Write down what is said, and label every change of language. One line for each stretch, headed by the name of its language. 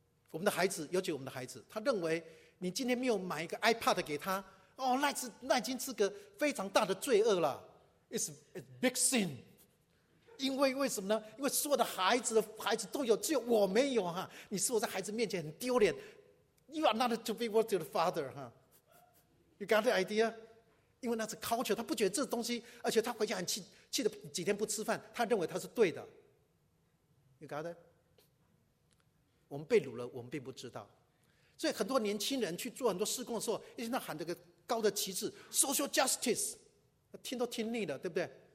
Chinese: 我们的孩子，尤其我们的孩子，他认为你今天没有买一个 iPad 给他，哦，那已经是个非常大的罪恶了，
English: It's a big sin。
Chinese: 因为为什么呢？因为所有的孩子都有，只有我没有哈。你是我在孩子面前很丢脸，
English: You are not to be worthy of the father ha. You got the idea?
Chinese: 因为那是 culture， 他不觉得这东西，而且他回家很气得几天不吃饭，他认为他是对的。
English: You got it?
Chinese: 我们被掳了我们并不知道。所以很多年轻人去做很多事工的时候，一直在喊这个高的旗帜 social justice， 听都听腻了，对不对？